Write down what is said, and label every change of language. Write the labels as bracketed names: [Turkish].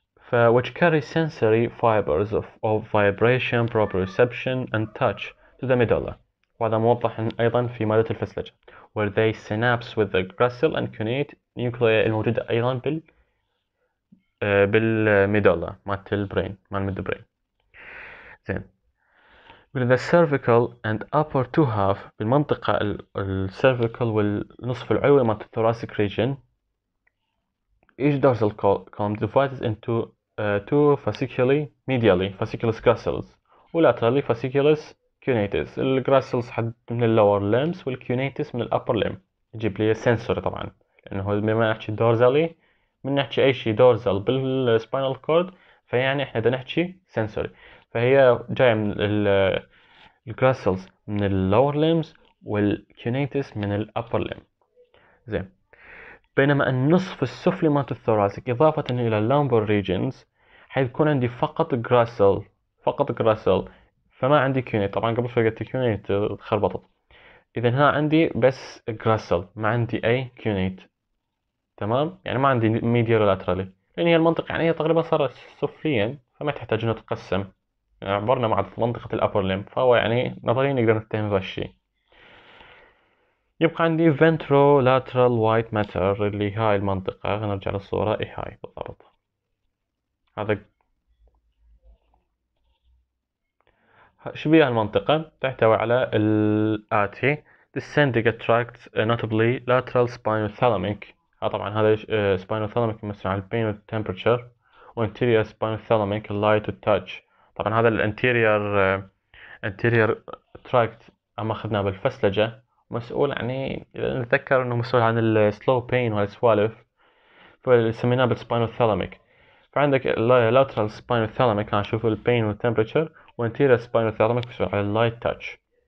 [English] ف which carry sensory fibers of vibration, proprioception and touch to the medulla. [Arabic] وهذا موضح ايضا في مادة الفسلجة. [English] where they synapse with the gracile and cuneate nuclei [Arabic] الموجودة ايضا بالميدولا مالت البرين مال ميد برين. [English] زين with the cervical and upper two half [Arabic] بالمنطقة السيرفيكال والنصف العلوي مالت الثوراسيك ريجن [English] each dorsal column divides into two fasciculi medially fasciculus gracilis ولaterally fasciculus cuneatus. [Arabic] ال gracilis حد من ال lower limbs وال cuneatus من ال upper limb. يجيب لي sensory طبعا لأنه هو بما نحكي dorsally من نحكي أي شيء dorsal بال spinal cord، فيعني إحنا ده نحكي sensory، فهي جاية من ال gracilis من ال lower limbs وال cuneatus من ال upper limb. زين بينما النصف السفلي مالت الثوراسيك إضافة إلى اللامبر ريجنز حيكون عندي فقط جراسل، فقط جراسل، فما عندي كيونيت. طبعا قبل شوي قلت كيونيت تخربطت، إذا هنا عندي بس جراسل ما عندي أي كيونيت، تمام، يعني ما عندي ميديال لاترالي، لأن هي المنطقة يعني هي تقريبا صارت سفليا فما تحتاج إنها تتقسم، يعني عبرنا مع منطقة الأبر ليمب، فهو يعني نظريا نقدر نتهم بهالشي. يبقى عندي ventrolateral white matter اللي هاي المنطقة، نرجع للصورة، إيه هاي بالضبط. شبيه المنطقة تحتوي على الآتي: [English] descending tract notably lateral spinal thalamic. طبعا هذا spinal thalamic مثل على pain and temperature و anterior spinal thalamic light to touch. [Arabic] طبعا هذا الانتيرير انتيرير تراكت اما اخذناه بالفسلجة مسؤول، يعني اذا نتذكر انه مسؤول عن السلو بين وهالسوالف فسميناه بالسباينو ثالاميك. فعندك اللاترال سباينو ثالاميك انا اشوف البين والتمبرتشر، وانتيريور سباينو ثالاميك مسؤول عن اللايت تاتش.